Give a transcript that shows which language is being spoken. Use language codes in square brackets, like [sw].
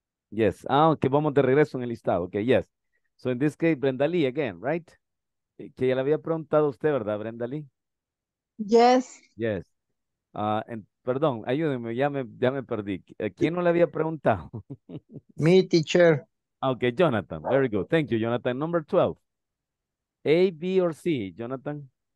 [es] Yes, que vamos de regreso en el listado. [en] Okay, yes. So in this case, Brenda Lee again, right? [es] Que ya le había preguntado usted, ¿verdad, Brenda Lee? [en] Yes. [es] Yes. Perdón, ayúdenme, ya me perdí. ¿Quién no le había preguntado? [en] Me, teacher. Okay, Jonathan. Very good. Thank you, Jonathan. Number 12. A, B, or C, Jonathan?